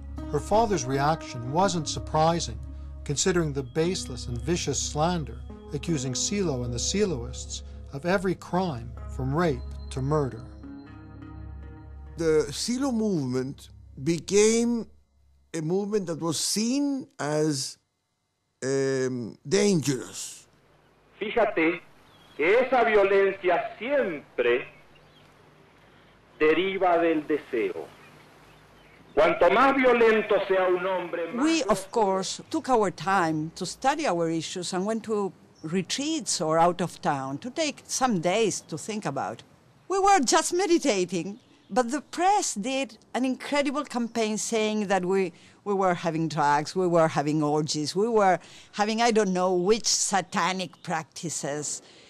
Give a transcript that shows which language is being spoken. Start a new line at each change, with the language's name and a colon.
English: Her father's reaction wasn't surprising, considering the baseless and vicious slander accusing CeeLo and the CeeLoists of every crime from rape to murder. The CeeLo movement became a movement that was seen as dangerous.
Spanish: Fíjate que esa violencia siempre deriva del deseo. Cuanto más violento sea un hombre, más...
English: We, of course, took our time to study our issues and went to retreats or out of town to take some days to think about. We were just meditating, but the press did an incredible campaign saying that we were having drugs, we were having orgies, we were having I don't know which satanic practices.